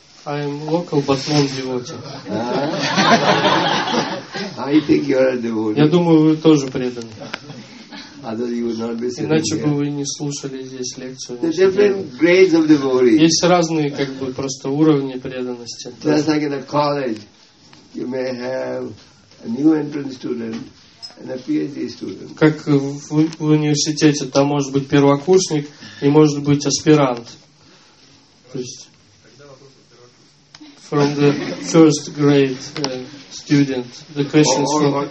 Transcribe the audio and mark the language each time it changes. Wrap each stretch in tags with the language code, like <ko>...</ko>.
<en>I'm local, but not devotee. I think you are a devotee.</en> <ru>Я думаю, вы тоже преданы.</ru> <en>Otherwise you would not be sitting.</en> <ru>Иначе бы вы не слушали здесь лекцию.</ru> <en>There are different grades of devotee.</en> <ru>Есть разные, как бы, просто уровни преданности.</ru> <en>Just like in a college, you may have a new entrance student and a PhD student.</en> <ru>Как в университете, там может быть первокурсник и может быть аспирант. То есть.</ru> <en>From the first grade student, the question is from</en>